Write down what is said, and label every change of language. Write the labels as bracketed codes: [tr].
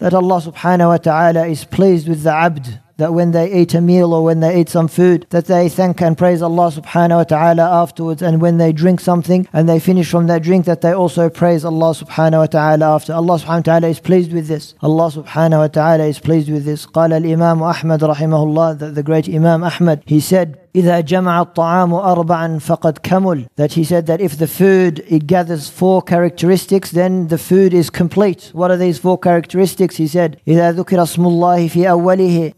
[en] That Allah subhanahu wa ta'ala is pleased with the abd that when they eat a meal or when they eat some food that they thank and praise Allah subhanahu wa ta'ala afterwards, and when they drink something and they finish from that drink that they also praise Allah subhanahu wa ta'ala after. Allah subhanahu wa ta'ala is pleased with this. Allah subhanahu wa ta'ala is pleased with this. [ar] قال الإمام أحمد رحمه الله, [en] the great Imam Ahmad, he said [ar] إذا جمع الطعام أربعا فقد كمل. [en] That he said that if the food it gathers four characteristics, then the food is complete. What are these four characteristics? He said [ar] إذا ذكر اسم الله في أوله.